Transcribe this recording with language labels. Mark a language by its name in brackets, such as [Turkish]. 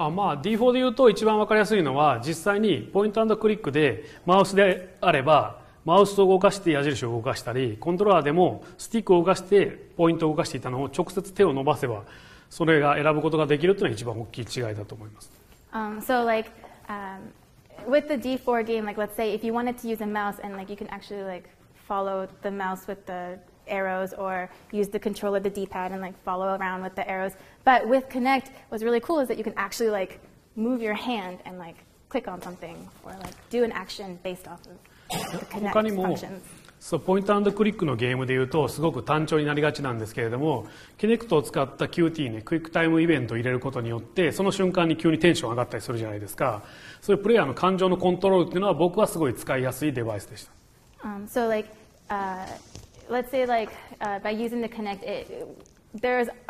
[Japanese] もまあ D4 で言うと一番分かりやすいのは実際にポイント&クリックでマウスであればマウスを動かして矢印を動かしたりコントローラーでもスティックを動かしてポイントを動かしていたのを直接手を伸ばせばそれが選ぶことができるというのが一番大きい違いだと思います、 [English] So like with the D4 game like let's say if you wanted to use a mouse and like you can actually like follow the mouse with theArrows or use the control of the D-pad and like follow around with the arrows. But with Kinect, what's really cool is that you can actually like move your hand and like click on something or like do an action based off of the Kinect functions. [Japanese] So, ポイント&クリックのゲームでいうとすごく単調になりがちなんですけれども、Kinect を使った QT ね、クイックタイムイベントを入れることによって、その瞬間に急にテンション上がったりするじゃないですか。そういうプレイヤーの感情のコントロールっていうのは僕はすごい使いやすいデバイスでした。 [English] So like, Let's say, like, by using the Kinect, there's